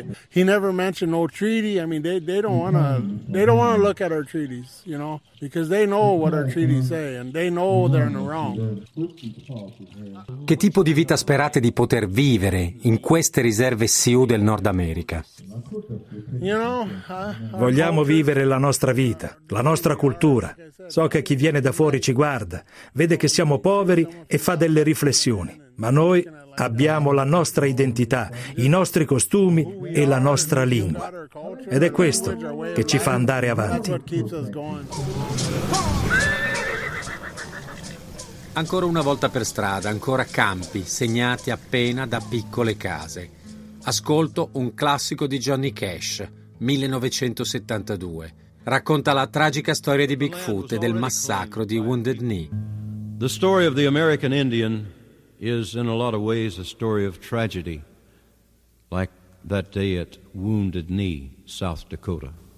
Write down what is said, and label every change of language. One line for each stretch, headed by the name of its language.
English: He never mentioned no treaty. I mean they don't want to look at our treaties, you know, because they know what our treaties say and they know they're in the wrong.
Italian: Che tipo di vita sperate di poter vivere in queste riserve Sioux del Nord America?
English: You know,
Italian: vogliamo vivere la nostra vita, la nostra cultura. So che chi viene da fuori ci guarda, vede che siamo poveri e fa delle riflessioni. Ma noi abbiamo la nostra identità, i nostri costumi e la nostra lingua. Ed è questo che ci fa andare avanti. Ancora una volta per strada, ancora campi segnati appena da piccole case. Ascolto un classico di Johnny Cash, 1972. Racconta la tragica storia di Bigfoot e del massacro di Wounded Knee.
English: The story of the American Indian is in a lot of ways a story of tragedy, like that day at Wounded Knee, South Dakota.